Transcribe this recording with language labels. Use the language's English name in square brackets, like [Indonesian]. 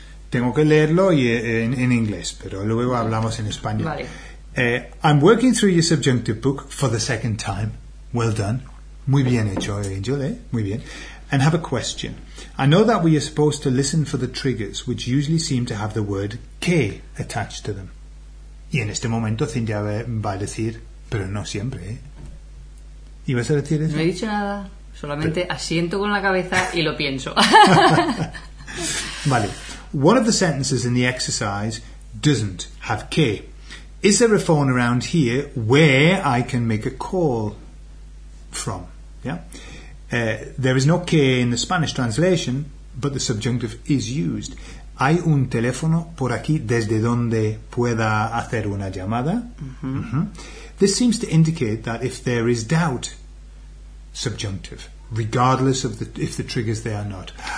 [Spanish] Tengo que leerlo y en inglés, pero luego hablamos en español. Vale. [English] I'm working through your subjunctive book for the second time. Well done. [Spanish] Muy bien hecho, Angel, ¿eh? Muy bien. [English] And have a question. I know that we are supposed to listen for the triggers, which usually seem to have the word que attached to them. [Spanish] Y en este momento Cindy va a decir, pero no siempre, ¿eh? ¿Ibas a decir eso? No he dicho nada. Solamente asiento con la cabeza y lo pienso. Vale. [English] One of the sentences in the exercise doesn't have que. Is there a phone around here where I can make a call from? Yeah. There is no que in the Spanish translation, but the subjunctive is used. [Spanish] ¿Hay un teléfono por aquí desde donde pueda hacer una llamada? Mm-hmm. [English] This seems to indicate that if there is doubt, subjunctive, regardless of if the trigger's there or not.